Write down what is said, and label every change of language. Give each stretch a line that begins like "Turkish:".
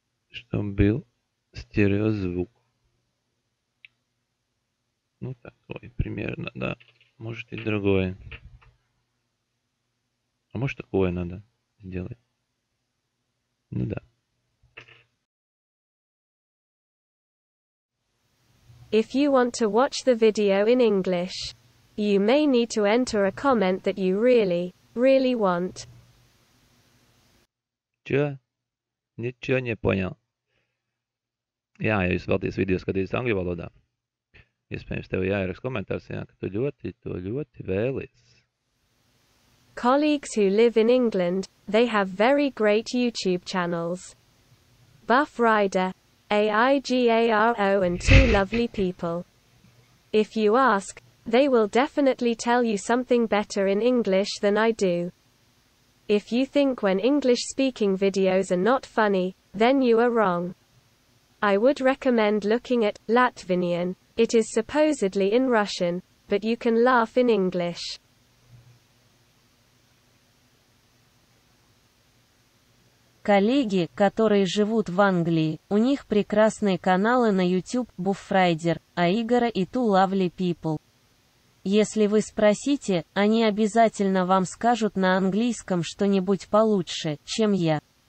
Russian: Чтобы был стереозвук. Ну, такой примерно, да. Может и другое. А может такое надо сделать. Ну, да.
English: If you want to watch the video in English, you may need to enter a comment that you really, really want.
Russian: Че? Ничего не понял.
Latvian: Jā, ja jūs vēlaties video skatīties angļu valodā, iespējams tev jāieraks komentārs, jā, ka tu ļoti, to ļoti vēlies.
English: Colleagues who live in England, they have very great YouTube channels. Buff Rider, AIGARO and Two Lovely People. If you ask, they will definitely tell you something better in English than I do. If you think when English speaking videos are not funny, then you are wrong. I would recommend looking at Latvinian. It is supposedly in Russian, but you can laugh in English.
Russian: Коллеги, которые живут в Англии, у них прекрасные каналы на YouTube Buffrider, Aigara и Two Lovely People. Если вы спросите, они обязательно вам скажут на английском что-нибудь получше, чем я.